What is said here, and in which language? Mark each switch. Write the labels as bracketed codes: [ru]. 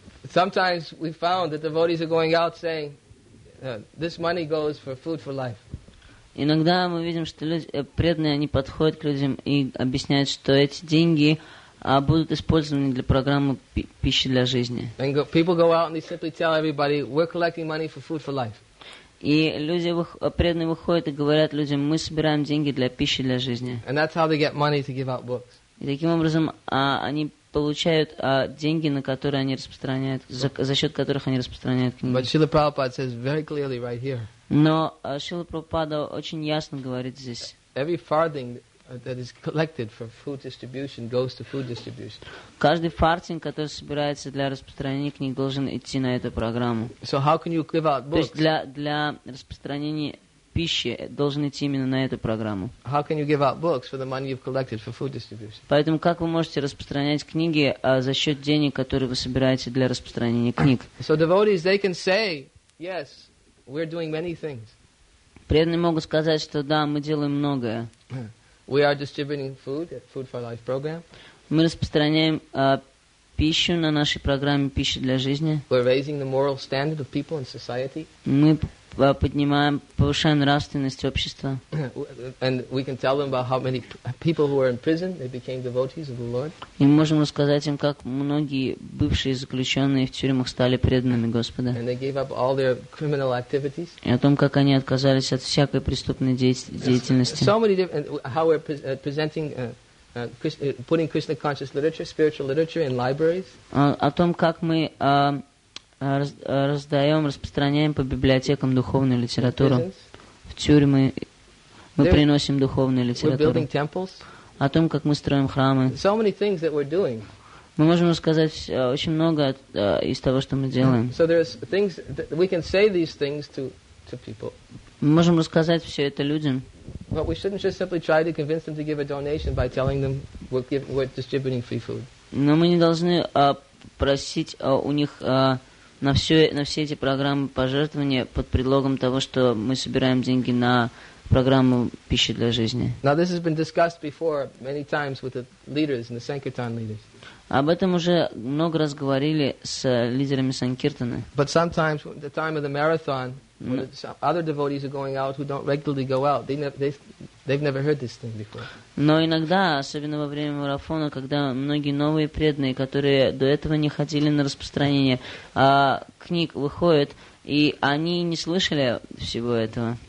[en] sometimes we found that devotees are going out saying, "This money goes for food for life." [ru] Иногда мы видим, что преданные они подходят к людям и объясняют, что эти деньги будут использованы для программы пищи для жизни. [en] And people go out and they simply tell everybody, "We're collecting money for food for life." [ru] И люди преданные выходят и говорят людям, мы собираем деньги для пищи для жизни. [en] And that's how they get money to give out books. [ru] И таким образом они получают деньги, на которые они распространяют, за счет которых они распространяют книги. [en] But Srila Prabhupada says very clearly right here. [ru] Но Шрила Прабхупада очень ясно говорит здесь. [en] Every farthing that is collected for food distribution goes to food distribution. [ru] Каждый фартинг, который собирается для распространения книг, должен идти на эту программу. [en] So how can you give out books? [ru] То есть для распространения пищи должен идти именно на эту программу. [en] How can you give out books for the money you've collected for food distribution? [ru] Поэтому как вы можете распространять книги за счет денег, которые вы собираете для распространения книг? [en] So devotees, they can say, yes, we're doing many things. [ru] Преданные могут сказать, что да, мы делаем многое. [en] We are distributing food at Food for Life program. [ru] Мы распространяем пищу на нашей программе «Пища для жизни». [en] We're raising the moral standard of people in society. [ru] Мы повышаем нравственность общества. [en] And we can tell them about how many people who are in prison they became devotees of the Lord. [ru] И мы можем рассказать им, как многие бывшие заключенные в тюрьмах стали преданными Господа. [en] And they gave up all their criminal activities. [ru] И о том, как они отказались от всякой преступной деятельности. [en] So many different how we're presenting putting Krishna conscious literature, spiritual literature in libraries. [ru] О том, как мы раздаем, распространяем по библиотекам духовную литературу. В тюрьмы мы приносим духовную литературу. О том, как мы строим храмы. [en] So many things that we're doing. [ru] Мы можем рассказать очень много из того, что мы делаем. [en] So there's things that we can say these things to people. [ru] Мы можем рассказать все это людям. [en] But we shouldn't just simply try to convince them to give a donation by telling them we're distributing free food. [ru] Но мы не должны просить у них на все эти программы пожертвования под предлогом того, что мы собираем деньги на программу пищи для жизни. [en] Now this has been discussed before many times with the leaders and the Sankirtan leaders. [ru] Об этом уже много раз говорили с лидерами Санкиртаны. [en] But sometimes the time of the marathon, when other devotees are going out who don't regularly go out, they've never heard this thing before. [ru] Но иногда, особенно во время марафона, когда многие новые преданные, которые до этого не ходили на распространение книг, выходят, и они не слышали всего этого.